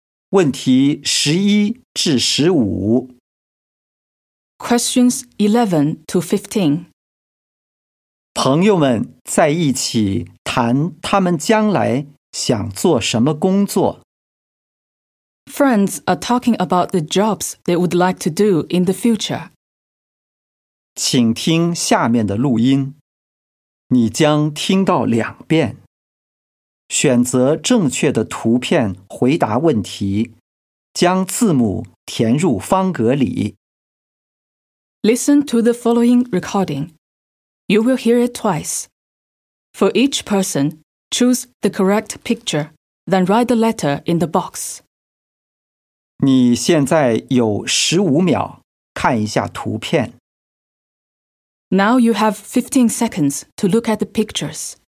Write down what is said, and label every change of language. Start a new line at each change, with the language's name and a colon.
Chinese: 问题十一至十五。
English: Questions 11 to 15。
Chinese: 朋友们在一起谈他们将来想做什么工作。
English: Friends are talking about the jobs they would like to do in the future.
Chinese: 请听下面的录音，你将听到两遍。选择正确的图片回答问题，将字母填入方格里。
English: Listen to the following recording. You will hear it twice. For each person, choose the correct picture, then write the letter in the box.
Chinese: 你现在有15秒，看一下图片。
English: Now you have 15 seconds to look at the pictures.